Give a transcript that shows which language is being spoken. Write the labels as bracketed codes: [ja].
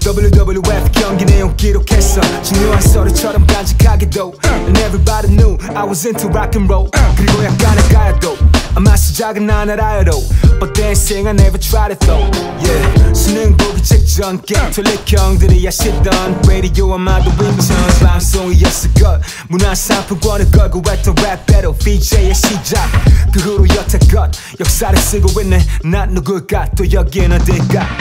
[ko] WWF 경기 내용 기록했어. 중요한 서류처럼 간직하기도. [en] And everybody knew I was into rock and roll. [ko] 그리고 약간의 가야도 아마 시작은 안 알아요도. [en] But dancing I never tried it though. Yeah. [ko] 수능 보기 직전 게톨릭 형들이 아시던 radio 아마도 인천 방송이었을 것. 문화상품권을 걸고 했던 rap battle VJ의 시작. 그 후로 여태껏 역사를 쓰고 있네. 난 누굴까 또 여긴 어딜까.